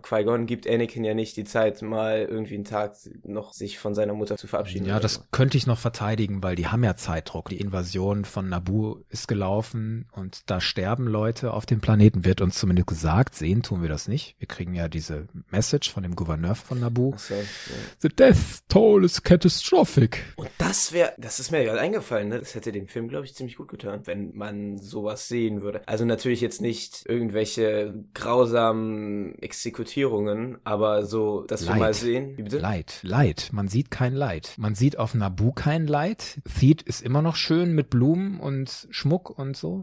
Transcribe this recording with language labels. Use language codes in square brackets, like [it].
[de] Qui-Gon gibt Anakin ja nicht die Zeit, mal irgendwie einen Tag noch sich von seiner Mutter zu verabschieden. Ja, das könnte ich noch verteidigen, weil die haben ja Zeitdruck. Die Invasion von Naboo ist gelaufen und da sterben Leute auf dem Planeten, wird uns zumindest gesagt, sehen tun wir das nicht. Wir kriegen ja diese Message von dem Gouverneur von Naboo. Ach so, ja. [en] The death toll is catastrophic. [de] Und das ist mir gerade eingefallen, ne? Das hätte dem Film, glaube ich, ziemlich gut getan, wenn man sowas sehen würde. Also natürlich jetzt nicht irgendwelche grausamen Exekutierungen, aber so, dass Leid. Wir mal sehen. Wie bitte? Leid. Man sieht kein Leid. Man sieht auf Naboo kein Leid. Theed ist immer noch schön mit Blumen und Schmuck und so.